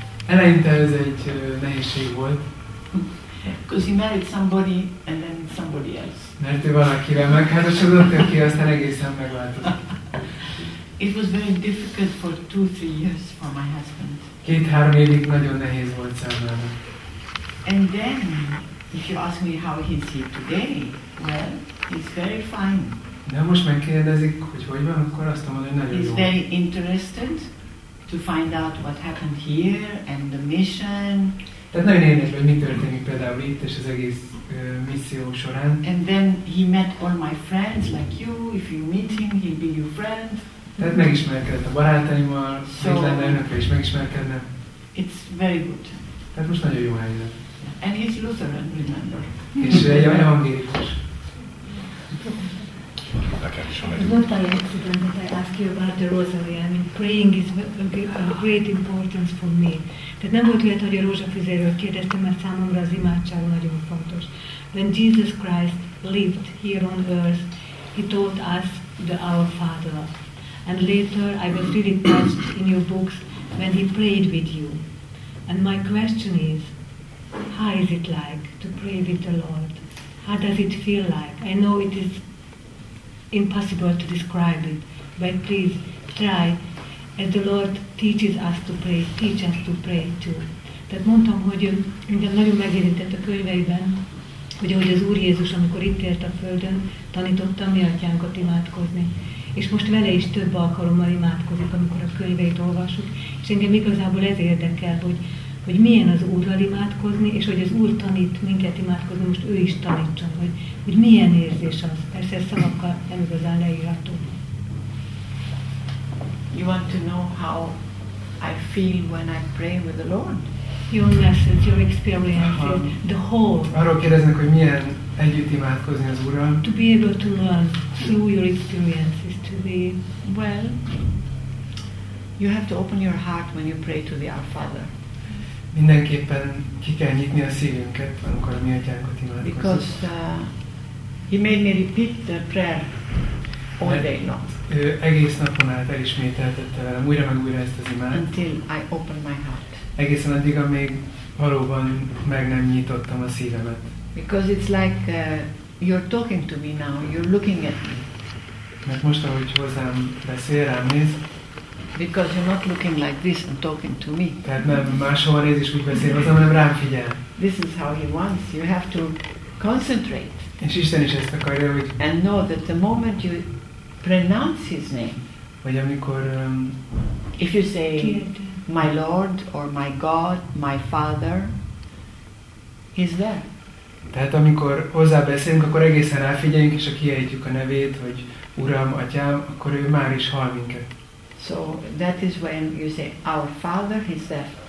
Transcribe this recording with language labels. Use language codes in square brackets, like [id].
[hu] Eleinte ez egy nehézség volt. [en] Because he married somebody and then somebody else. [hu] Mert ő valakivel megházasodott, aki aztán egészen megváltozott. [en] It was very difficult for 2-3 years for my husband. [hu] 2-3 évig nagyon nehéz volt számára. [en] And then, if you ask me how he's here today, well, he's very fine. [hu] De most megkérdezik, hogy hogy van, akkor azt mondom, hogy nagyon [en] he's [hu] jó. [en] He's very interested to find out what happened here and the mission. [hu] Tehát nagyon érdekes, hogy mi történik például itt és az egész misszió során. [en] And then he met all my friends like you. If you meet him, he'll be your friend. [hu] Tehát megismerkedett a barátaimmal, itt lenne önökre is megismerkedne. [en] It's very good. [hu] Tehát most nagyon jó helyzet. [en] And he's Lutheran, remember. [hu] És egy evangélikus. [en] What I accident that I ask you about the rosary, I mean praying is a great importance for me. [hu] Tehát nem volt olyat, hogy a rózsafüzéről kérdeztem, mert számomra az imádság nagyon fontos. [en] When Jesus Christ lived here on earth, he taught us the Our Father. And later I was really touched in your books when he prayed with you. And my question is, how is it like to pray with the Lord? How does it feel like? I know it is impossible to describe it, but please try, as the Lord teaches us to pray, teach us to pray too. [hu] Tehát mondtam, hogy engem nagyon megérintett a könyveiben, hogy ahogy az Úr Jézus, amikor itt élt a Földön, tanította mi atyánkat imádkozni. És most vele is több alkalommal imádkozik, amikor a könyveit olvasuk, és engem igazából ez érdekel, hogy milyen az Úrral imádkozni, és hogy az Úr tanít minket imádkozni, most ő is tanítson, hogy milyen érzés az. Persze szavakkal nem igazán leírható. [en] You want to know how I feel when I pray with the Lord? Your message, your experience, the whole. [hu] Arról kérdeznek, hogy milyen együtt imádkozni az Úrral. [en] To be able to learn through your experiences, to be well, you have to open your heart when you pray to the Our Father. [hu] Mindenképpen ki kell nyitni a szívünket, amikor a mi atyánkat imádkozunk. [en] Because he made me repeat the prayer all day long. [hu] Ő egész napon át elismételtette velem, újra meg újra ezt az imád. [en] Until I opened my heart. [hu] Egészen addig, amíg valóban meg nem nyitottam a szívemet. [en] Because it's like you're talking to me now, you're looking at me. [hu] Mert most, ahogy hozzám beszél, rám néz. [en] Because you're not looking like this and talking to me. [hu] Tehát nem máshova néz és úgy beszél hozzám, hanem rám figyel. [en] This is how he wants. You have to concentrate. [hu] És Isten is ezt akarja, hogy... [en] And know that the moment you pronounce his name. [hu] Vagy amikor... [en] if you say my Lord or my God, my Father, he's there. [hu] Tehát amikor hozzá beszélünk, akkor egészen ráfigyeljünk és ha kiejtjük a nevét, hogy Uram, Atyám, akkor ő már is hall minket. [en] So that is when you say our Father, he's there.